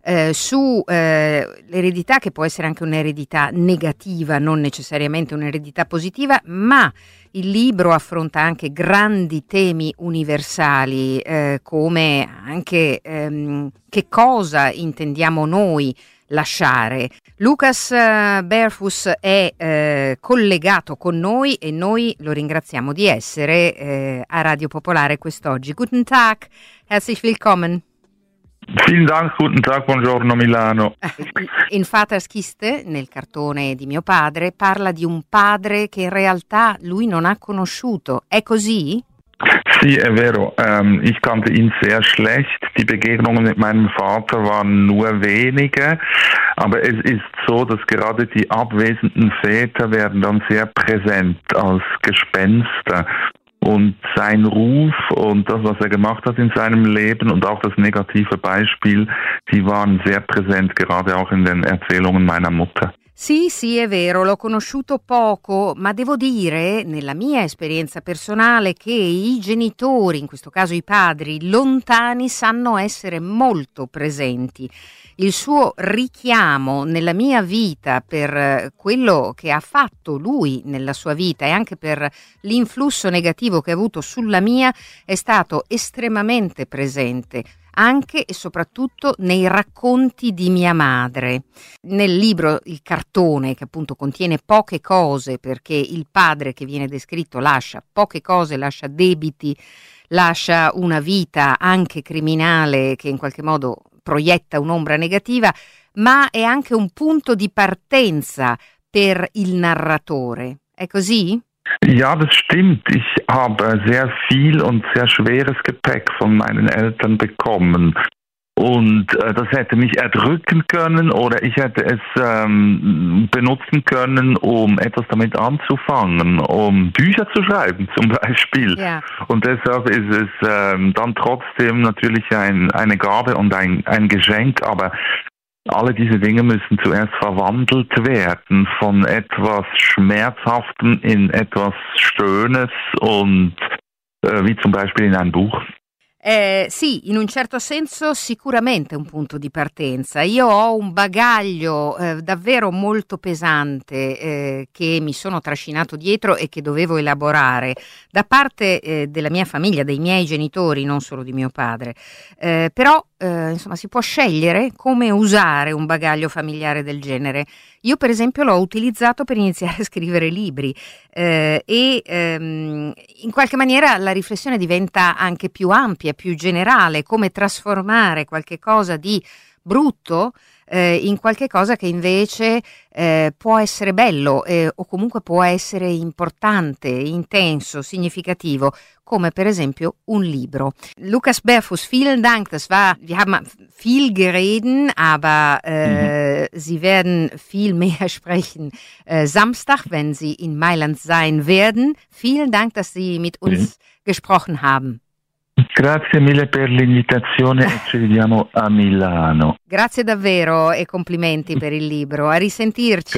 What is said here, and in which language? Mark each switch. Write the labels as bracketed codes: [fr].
[it] sull'eredità che può essere anche un'eredità negativa, non necessariamente un'eredità positiva, ma il libro affronta anche grandi temi universali come anche che cosa intendiamo noi lasciare. Lucas Berfus è collegato con noi e noi lo ringraziamo di essere a Radio Popolare quest'oggi. [de] Guten Tag, herzlich willkommen. Vielen Dank, guten Tag, [it] buongiorno Milano. In Vaters Kiste, nel cartone di mio padre, parla di un padre che in realtà lui non ha conosciuto. È così? Sì, è vero. [de] Ich kannte ihn sehr schlecht. Die Begegnungen mit meinem Vater waren nur wenige. Aber es ist so, dass gerade die abwesenden Väter werden dann sehr präsent als Gespenster. Und sein Ruf und das, was er gemacht hat in seinem Leben und auch das negative Beispiel, die waren sehr präsent, gerade auch in den Erzählungen meiner Mutter. [it] Sì, sì, è vero, l'ho conosciuto poco, ma devo dire, nella mia esperienza personale, che i genitori, in questo caso i padri, lontani, sanno essere molto presenti. Il suo richiamo nella mia vita per quello che ha fatto lui nella sua vita e anche per l'influsso negativo che ha avuto sulla mia è stato estremamente presente. Anche e soprattutto nei racconti di mia madre. Nel libro Il cartone, che appunto contiene poche cose, perché il padre che viene descritto lascia poche cose, lascia debiti, lascia una vita anche criminale che in qualche modo proietta un'ombra negativa, ma è anche un punto di partenza per il narratore. È così? [de] Ja, das stimmt. Ich habe sehr viel und sehr schweres Gepäck von meinen Eltern bekommen. Und das hätte mich erdrücken können oder ich hätte es benutzen können, um etwas damit anzufangen, um Bücher zu schreiben zum Beispiel. Ja. Und deshalb ist es dann trotzdem natürlich eine Gabe und ein Geschenk, aber alle diese Dinge müssen zuerst verwandelt werden von etwas Schmerzhaftem in etwas Schönes und wie zum Beispiel in ein Buch. [it] Sì, in un certo senso sicuramente un punto di partenza. Io ho un bagaglio davvero molto pesante che mi sono trascinato dietro e che dovevo elaborare da parte della mia famiglia, dei miei genitori, non solo di mio padre. Però, insomma, si può scegliere come usare un bagaglio familiare del genere. Io, per esempio, l'ho utilizzato per iniziare a scrivere libri e in qualche maniera la riflessione diventa anche più ampia, più generale, come trasformare qualche cosa di brutto in qualche cosa che invece può essere bello o comunque può essere importante, intenso, significativo, come per esempio un libro. [de] Lucas Berfus, vielen Dank, das war, wir haben viel gereden, aber Sie werden viel mehr sprechen Samstag, wenn Sie in Mailand sein werden. Vielen Dank, dass Sie mit uns gesprochen haben. [it] Grazie mille per l'invitazione e ci vediamo a Milano. Grazie davvero e complimenti per il libro. A risentirci.